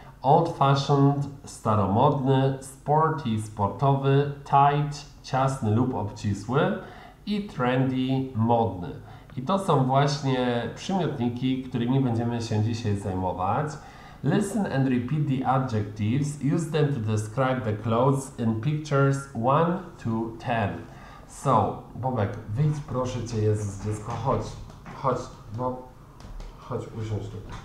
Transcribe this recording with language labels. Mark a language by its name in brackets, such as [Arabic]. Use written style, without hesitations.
[English] Old fashioned, [Polish] staromodny, [English] sporty, [Polish] sportowy, [English] tight, [Polish] ciasny lub obcisły. I trendy, modny. I to są właśnie przymiotniki, którymi będziemy się dzisiaj zajmować. [English] Listen and repeat the adjectives. Use them to describe the clothes in pictures 1 to 10. [Polish] So, Bobek, wyjdź proszę Cię, Jezus, dziecko, chodź. Chodź, Bob. Chodź, usiądź tu.